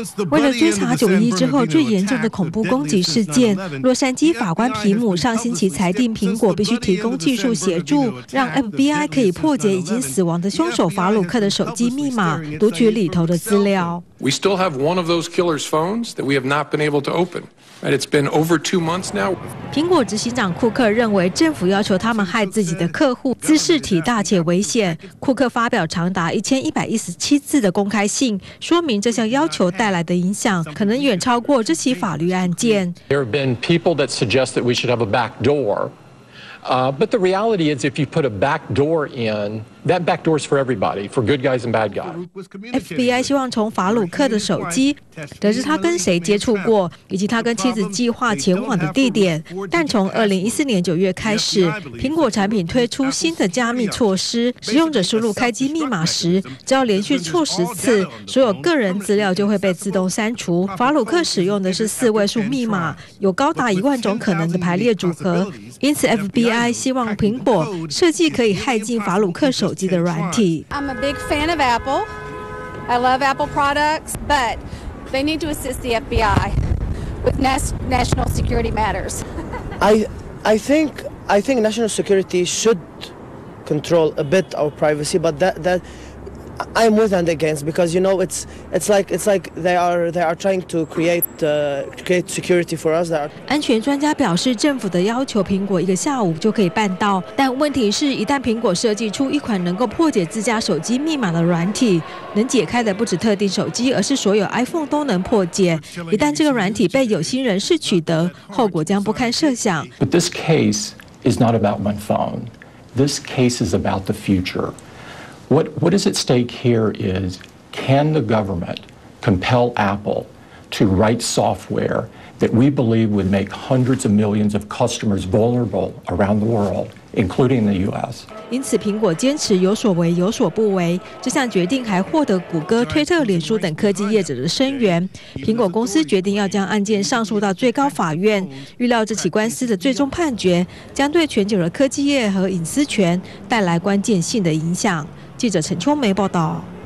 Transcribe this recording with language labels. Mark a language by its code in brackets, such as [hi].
[zh] 为了追查9/11之后最严重的恐怖攻击事件，洛杉矶法官皮姆上星期裁定苹果必须提供技术协助，让 FBI 可以破解已经死亡的凶手法鲁克的手机密码，读取里头的资料。 [en] We still have one of those killer's phones that we have not been able to open. It's been over 2 months now. [zh] 苹果执行长库克认为政府要求他们害自己的客户姿势体大且危险。库克发表长达1117字的公开信，说明这项要求带来的影响可能远超过这起法律案件。 [en] There have been people that suggest that we should have a back door. But the reality is if you put a back door in,That backdoor is for everybody, for good guys and bad guys. [zh] FBI 希望从法鲁克的手机得知他跟谁接触过，以及他跟妻子计划前往的地点。但从2014年9月开始，苹果产品推出新的加密措施，使用者输入开机密码时，只要连续错10次，所有个人资料就会被自动删除。法鲁克使用的是4位数密码，有高达10000种可能的排列组合。因此 ，FBI 希望苹果设计可以骇进法鲁克手机。 [en] I'm a big fan of Apple. I love Apple products, but they need to assist the FBI with national security matters. I think national security should control a bit our privacy, but that I'm with and against because you know it's like they are trying to create security for us. [zh] 安全专家表示，政府的要求苹果一个下午就可以办到，但问题是，一旦苹果设计出一款能够破解自家手机密码的软体，能解开的不止特定手机，而是所有 iPhone 都能破解。一旦这个软体被有心人士取得，后果将不堪设想。 [en] But this case is not about one phone. This case is about the future. What is at stake here is, can the government compel Apple to write software that we believe would make hundreds of millions of customers vulnerable around the world, including the U.S.? [zh] 因此，苹果坚持有所为有所不为，这项决定还获得谷歌、推特、脸书等科技业者的声援。苹果公司决定要将案件上诉到最高法院，预料这起官司的最终判决将对全球的科技业和隐私权带来关键性的影响。记者陈秋梅报道。